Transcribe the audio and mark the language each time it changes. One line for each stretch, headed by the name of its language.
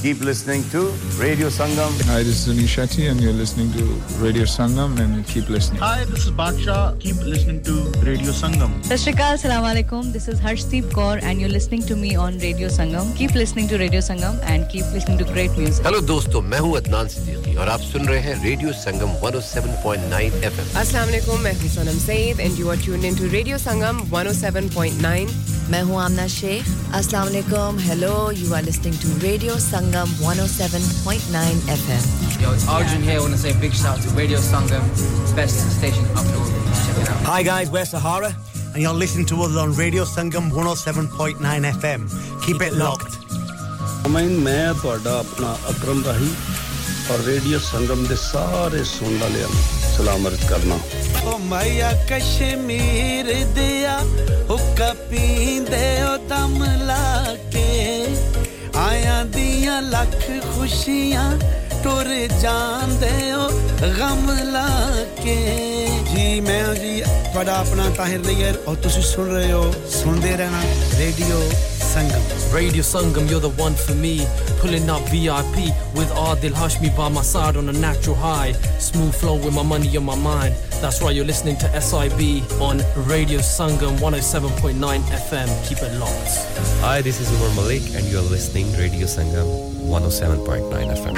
English: Keep listening to Radio Sangam. Hi, this is Zuni Shetty, and you're listening to Radio Sangam, and keep listening. Hi, this is Baksha. Keep listening to Radio Sangam.
Arabic: Sashrikal, Assalamu Alaikum.
English: This is Harshdeep Kaur, and you're listening to me on Radio Sangam. Keep listening to Radio Sangam, and keep listening to great music. Hello, friends.
Hindi: तो मैं हूं अदनान सिद्दीकी और आप सुन रहे हैं radio संगम 107.9 FM.
Arabic: अस्सलाम वालेकुम.
Hindi: मैं हूं
English: Sanam Saeed and you are tuned in to radio Sangam 107.9.
Hindi: मैं हूं आमना शेख. अस्सलाम वालेकुम.
English: Hello you are listening to radio Sangam 107.9 FM. Yo it's Arjun here. I want to say big shout to radio Sangam best station up north. Hi guys we're Sahara and you are listening to us on radio Sangam 107.9 FM. Keep it locked.
Punjabi: ਮੈਂ ਮੈਂ ਤੁਹਾਡਾ ਆਪਣਾ ਅਕਰਮ ਰਾਹੀ ਔਰ radio ਸੰਗਮ ਦੇ ਸਾਰੇ ਸੁਣਨ ਵਾਲਿਆਂ ਨੂੰ ਸਲਾਮ ਅਰਜ਼ ਕਰਨਾ. ਓ ਮਾਇਆ ਕਸ਼ਮੀਰ ਦਿਆ ਹੁੱਕਾ ਪੀਂਦੇ ਓ ਦਮ ਲਾ ਕੇ ਆਇਆਂ ਦੀਆਂ ਲੱਖ ਖੁਸ਼ੀਆਂ ਟੁਰ ਜਾਂਦੇ ਓ ਗਮ ਲਾ ਕੇ. ਜੀ ਮੈਂ ਜੀ ਤੁਹਾਡਾ ਆਪਣਾ ਤਾਹਿਰ ਨਈਅਰ ਔਰ ਤੁਸੀਂ ਸੁਣ ਰਹੇ ਹੋ ਸੁਣਦੇ ਰਹਿਣਾ radio Sangam.
English: Radio Sangam, you're the one for me. Pulling up VIP with Adil Hashmi by my side on a natural high. Smooth flow with my money on my mind. That's right, you're listening to SIB on Radio Sangam 107.9 FM. Keep it locked. Hi, this is Umar Malik and you're listening to Radio Sangam 107.9 FM.